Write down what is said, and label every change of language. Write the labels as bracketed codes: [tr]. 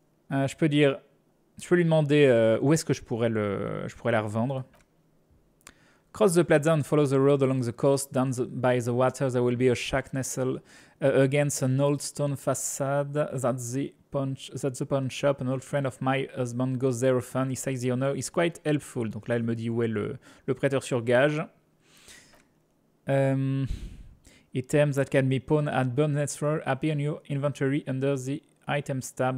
[fr] Je peux lui demander où est-ce que je pourrais la revendre. [en] Cross the plaza and follow the road along the coast, down by the water. There will be a shack nestled against an old stone facade. That's the pawn shop. An old friend of my husband goes there often. He says the owner is quite helpful. [fr] Donc là, elle me dit où est le prêteur sur gage. [en] Items that can be pawned at Burnett's Row appear in your inventory under the items tab.